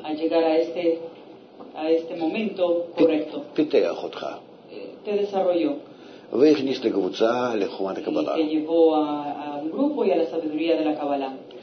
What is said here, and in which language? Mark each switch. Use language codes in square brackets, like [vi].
[es] a llegar a este momento correcto. [he] פיתח אותך, [es] te desarrolló, [he] והכניס לקבוצה לחומת הקבלה, [es] te llevó a un grupo y a la sabiduría de la Kabbalah.